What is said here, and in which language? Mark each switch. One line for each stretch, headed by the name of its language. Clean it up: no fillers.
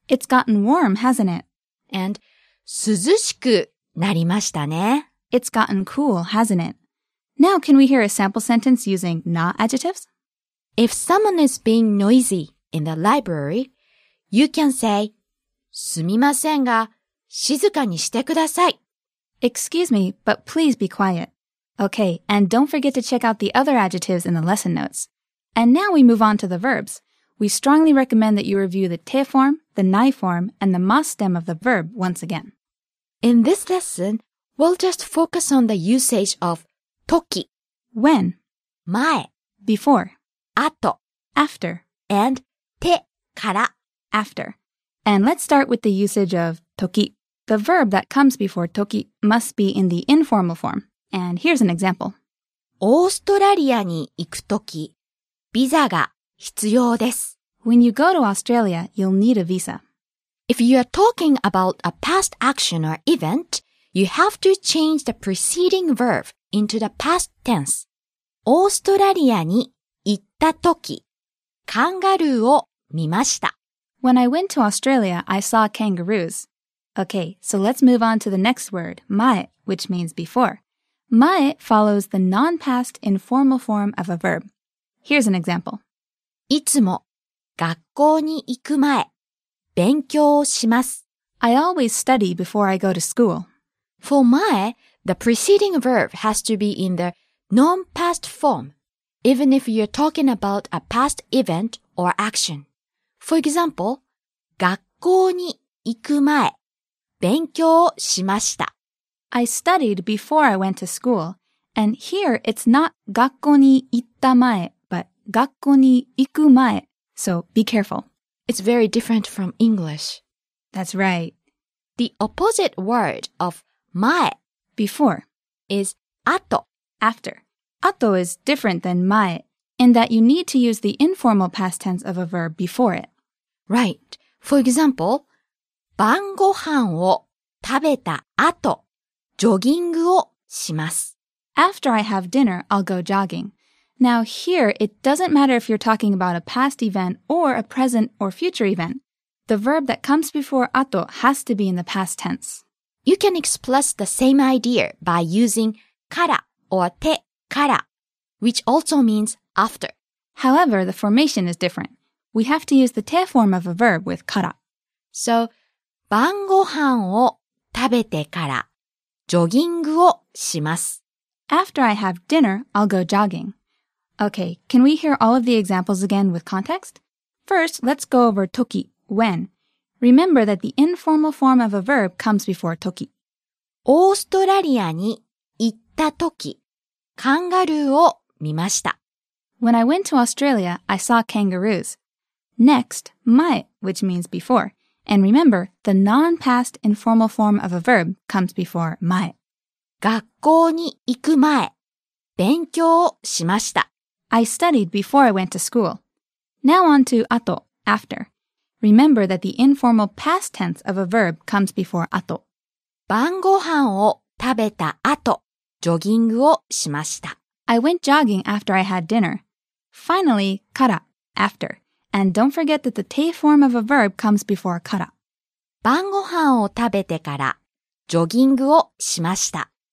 English: It's gotten warm, hasn't it?
Japanese: And, 涼しくなりましたね。
English: It's gotten cool, hasn't it? Now, can we hear a sample sentence using な adjectives? If someone is being noisy in the library, you can say,
Japanese: すみませんが、静かにしてください。
English: Excuse me, but please be quiet. Okay, and don't forget to check out the other adjectives in the lesson notes. And now we move on to the verbs. We strongly recommend that you review the te form, the nai form, and the mas stem of the verb once again. In this lesson, we'll just focus on the usage of toki, when,
Japanese: 前,
English: before,
Japanese: 後,
English: after, and te, から, after. And let's start with the usage of toki. The verb that comes before toki must be in the informal form. And here's an example.
Japanese: オーストラリアに行くとき、ビザが必要です。
English: When you go to Australia, you'll need a visa. If you are talking about a past action or event, you have to change the preceding verb into the past tense.
Japanese: オーストラリアに行ったとき、カンガルーを見ました。
English: When I went to Australia, I saw kangaroos. Okay, so let's move on to the next word, 前, which means before. 前 follows the non-past informal form of a verb. Here's an example.
Japanese: いつも学校に行く前、勉強をします。
English: I always study before I go to school. For 前, the preceding verb has to be in the non-past form, even if you're talking about a past event or action. For example,
Japanese: 学校に行く前、勉強をしました。
English: I studied before I went to school, and here it's not
Japanese: 学校に行った前,
English: but
Japanese: 学校に行く前,
English: so be careful. It's very different from English. That's right. The opposite word of 前, before, is 後, after. 後 is different than 前, in that you need to use the informal past tense of a verb before it. Right. For example,
Japanese: 晩ご飯を食べた後、ジョギングをします。
English: After I have dinner, I'll go jogging. Now here, it doesn't matter if you're talking about a past event or a present or future event. The verb that comes before 後 has to be in the past tense. You can express the same idea by using から or てから, which also means after. However, the formation is different. We have to use the te form of a verb with から.
Japanese: So, 晩ご飯を食べてからジョギングをします。
English: After I have dinner, I'll go jogging. Okay, can we hear all of the examples again with context? First, let's go over toki, when. Remember that the informal form of a verb comes before toki.
Japanese: オーストラリアに行ったとき、カンガルーを見ました。
English: When I went to Australia, I saw kangaroos. Next, 前, which means before. And remember, the non-past informal form of a verb comes before 前.
Japanese: 学校に行く前、勉強をしました。
English: I studied before I went to school. Now on to 後, after. Remember that the informal past tense of a verb comes before 後.
Japanese: 晩ご飯を食べた後、ジョギングをしました。
English: I went jogging after I had dinner. Finally, から, after. And don't forget that the te form of a verb comes before から.
Japanese: 晩ご飯を食べてからジョギングをしました。